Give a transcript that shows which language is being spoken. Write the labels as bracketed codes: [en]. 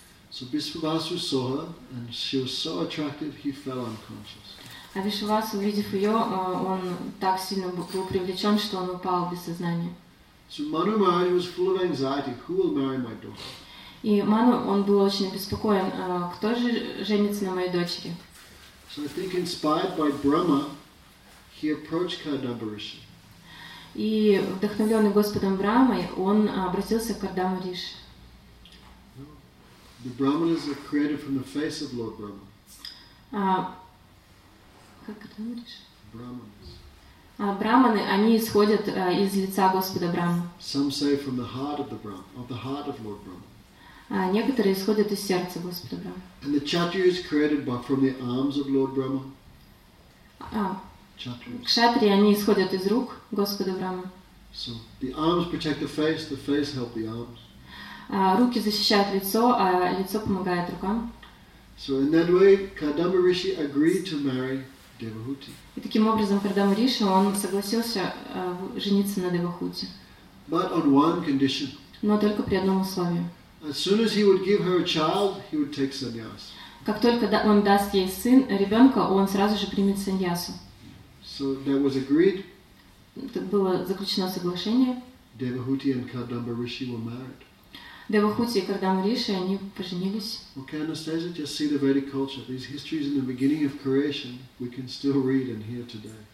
[en] So Vishvavasu saw her and she was so attractive he fell unconscious. [ru] А Вишвавасу, увидев ее, он так сильно был привлечен, что он упал без сознания. [en] So Manu Maharaj was full of anxiety. Who will marry my daughter? [ru] И Ману он был очень обеспокоен. Кто же женится на моей дочери? [en] So I think, inspired by Brahma, he approached Kardamba Rishi. [ru] И вдохновленный Господом Брахмой, он обратился к Кардаму Риши. [en] The Brahmanas are created from the face of Lord Brahma. [ru] Как Кардаму Риши? [en] Brahmanas. [ru] Браманы, они исходят из лица Господа Брахмы. [en] Some say from the heart of the Brahma, of the heart of Lord Brahma. [ru] Некоторые исходят из сердца Господа Брахмы. [en] And the Kshatriyas created by from the arms of Lord Brahma. [ru] Кшатрии, они исходят из рук Господа Брахмы. [en] So the arms protect the face help the arms. [ru] Руки защищают лицо, а лицо помогает рукам. [en] So in that way, Kardamba Rishi agreed to marry. [ru] И таким образом, Кардама Риши, он согласился жениться на Девахути. [en] But on one condition. [ru] Но только при одном условии. [en] As soon as he would give her a child, he would take sannyas. [ru] Как только он даст ей сын, ребенка, он сразу же примет сандьясу. [en] So that was agreed. [ru] Так было заключено соглашение. [en] Devahuti and Kardamba Rishi were married. [ru] Девахути и Кардама Риши, они поженились. [en] Okay, Anastasia, just see the Vedic culture. These histories in the beginning of creation, we can still read and hear today.